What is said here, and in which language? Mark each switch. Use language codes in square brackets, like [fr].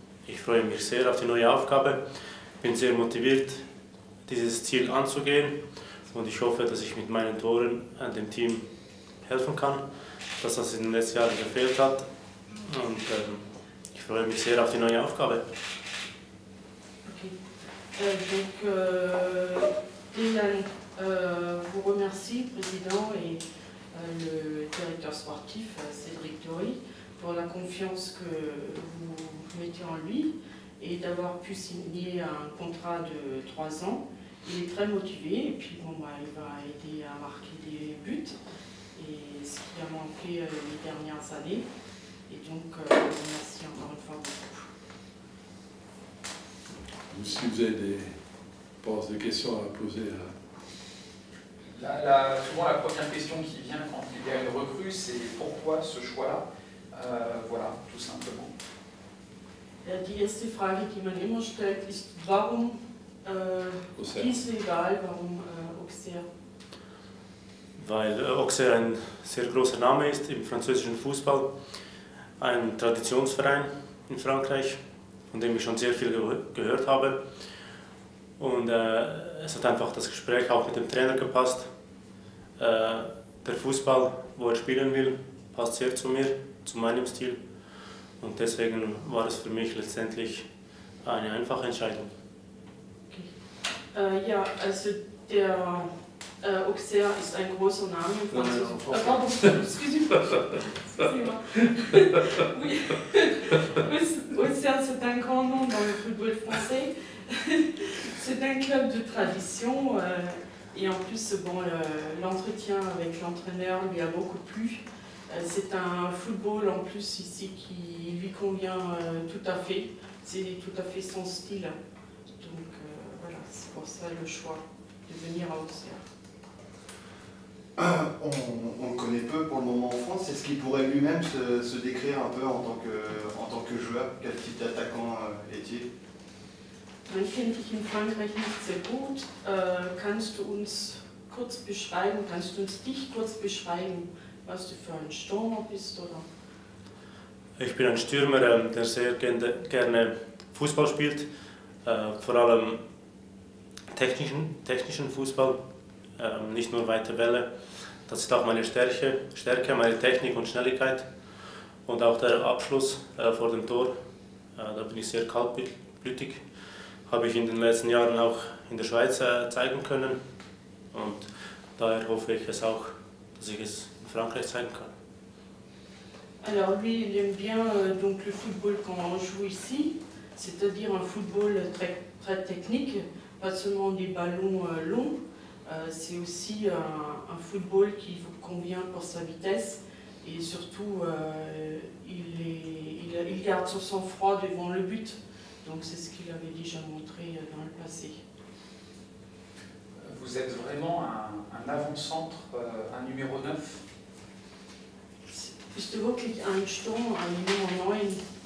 [de] Ich freue mich sehr auf die neue Aufgabe, bin sehr motiviert, dieses Ziel anzugehen und ich hoffe, dass ich mit meinen Toren an dem Team helfen kann. Dass das in den letzten Jahren gefehlt hat. Und ich freue mich sehr auf die neue Aufgabe. Okay. [fr] Donc, Dylan vous remercie, Président, et le directeur sportif, Cédric Dory, pour la confiance que vous mettez en lui et d'avoir pu signer un contrat de 3 ans. Il est très motivé et puis bon, bah, il va aider à marquer des buts. Et ce qui a manqué les dernières années. Et donc, merci encore une fois beaucoup. Si vous avez des questions à poser. Hein. Souvent, la première question qui vient quand il y a une recrue, c'est pourquoi ce choix-là. Voilà, tout simplement. La première question qui m'a toujours posée est pourquoi est-ce légal, pourquoi Auxerre? [de] Weil Auxerre ein sehr großer Name ist im französischen Fußball, ein Traditionsverein in Frankreich, von dem ich schon sehr viel gehört habe. Und es hat einfach das Gespräch auch mit dem Trainer gepasst. Der Fußball, wo er spielen will, passt sehr zu mir, zu meinem Stil. Und deswegen war es für mich letztendlich eine einfache Entscheidung. Okay. Ja, also der... Auxerre ist ein großer Name im Französischen. [fr] Auxerre, c'est un grand nom dans le football français. C'est un club de tradition. Et en plus, bon, l'entretien avec l'entraîneur lui a beaucoup plu. C'est un football en plus ici qui lui convient tout à fait. C'est tout à fait son style. Donc voilà, c'est pour ça le choix de venir à Auxerre. On le connaît peu pour le moment en France. Est-ce qu'il pourrait lui-même se décrire un peu en tant que joueur? Quel type d'attaquant est-il? [de] Man kennt dich in Frankreich nicht sehr gut. Kannst du uns kurz beschreiben, kannst du uns dich kurz beschreiben, was du für ein Stürmer bist, oder? Ich bin ein Stürmer, der sehr gerne Fußball spielt, vor allem technischen Fußball, nicht nur weite Bälle. Das ist auch meine Stärke, meine Technik und Schnelligkeit. Und auch der Abschluss vor dem Tor, da bin ich sehr kaltblütig. Habe ich in den letzten Jahren auch in der Schweiz zeigen können. Und daher hoffe ich es auch, dass ich es in Frankreich zeigen kann. [fr] Alors lui, il aime bien donc le football qu'on joue ici, c'est-à-dire un football très, très technique, pas seulement des ballons longs, c'est aussi un football qui vous convient pour sa vitesse et surtout il garde son sang-froid devant le but, donc c'est ce qu'il avait déjà montré dans le passé. Vous êtes vraiment un avant-centre, un numéro 9. [de] Bist du wirklich ein Sturm, ein Nummer 9?